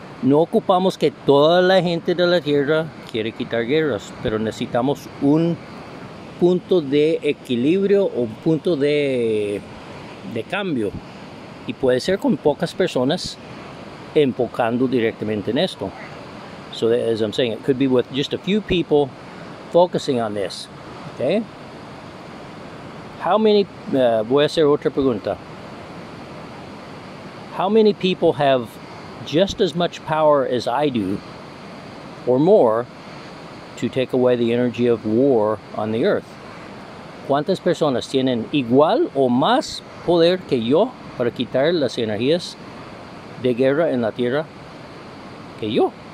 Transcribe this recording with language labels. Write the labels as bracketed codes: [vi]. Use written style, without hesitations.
[es] No ocupamos que toda la gente de la tierra quiere quitar guerras, pero necesitamos un punto de equilibrio o un punto de cambio. Y puede ser con pocas personas enfocando directamente en esto. [en] So that, as I'm saying, it could be with just a few people focusing on this, okay? How many, [es] voy a hacer otra pregunta. [en] How many people have just as much power as I do, or more, to take away the energy of war on the earth. [es] ¿Cuántas personas tienen igual o más poder que yo para quitar las energías de guerra en la tierra que yo?